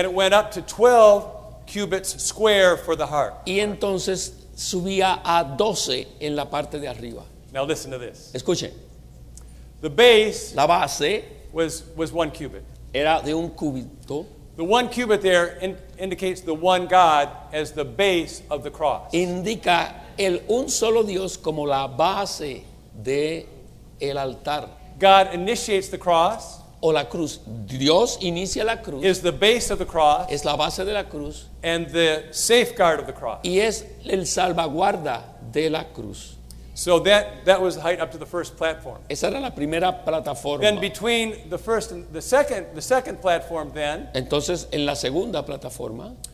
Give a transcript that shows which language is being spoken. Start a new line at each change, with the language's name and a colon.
English: And it went up to 12 cubits square for the heart.
Spanish: Y entonces subía a 12 en la parte de arriba.
English: Now listen to this.
Spanish: Escuchen.
English: The base,
Spanish: la base,
English: was 1 cubit.
Spanish: Era de un cubito.
English: The 1 cubit there indicates the one God as the base of the cross.
Spanish: Indica el un solo Dios como la base de el altar.
English: God initiates the cross.
Spanish: O la cruz. Dios inicia la cruz.
English: Is the base of the cross.
Spanish: Es la base de la cruz.
English: And the safeguard of the cross.
Spanish: Y es el salvaguarda de la cruz.
English: So that was the height up to the first platform.
Spanish: Esa era la primera plataforma.
English: Then between the first and the second platform then.
Spanish: Entonces en la segunda plataforma.